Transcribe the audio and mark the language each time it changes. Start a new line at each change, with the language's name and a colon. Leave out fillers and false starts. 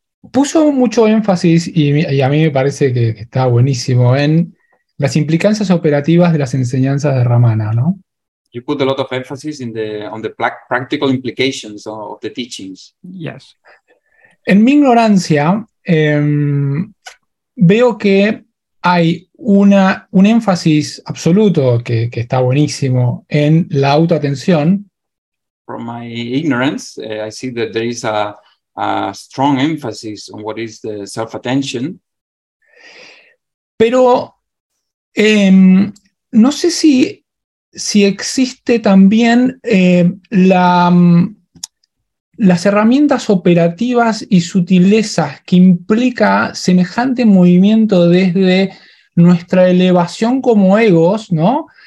Spanish: Puso mucho énfasis, y a mí me parece que está buenísimo, en las implicancias operativas de las enseñanzas de Ramana, ¿no?
English: You put a lot of emphasis on the practical implications of the teachings. Yes.
Spanish: En mi ignorancia, veo que hay un énfasis absoluto que está buenísimo en la autoatención.
English: From my ignorance, I see that there is a strong emphasis on what is the self-attention.
Spanish: Pero no sé si existe también las herramientas operativas y sutilezas que implica semejante movimiento desde nuestra elevación como egos, ¿no?